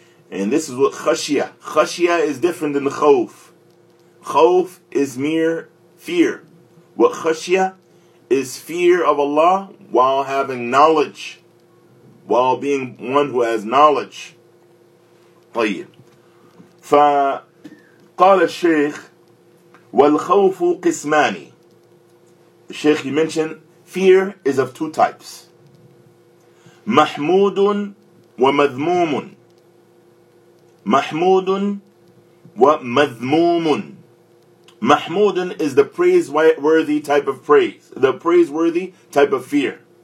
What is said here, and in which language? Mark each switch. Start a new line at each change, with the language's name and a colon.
English: And this is what khashya. Khashya is different than khawf. Khawf is mere fear. What khashya is fear of Allah while having knowledge, while being one who has knowledge.
Arabic: طيب. فقال الشيخ والخوف قسمان.
English: The Sheikh, he mentioned fear is of two types.
Arabic: محمود ومذموم. محمود ومذموم.
English: محمود is the praiseworthy type of praise, the praiseworthy type of fear.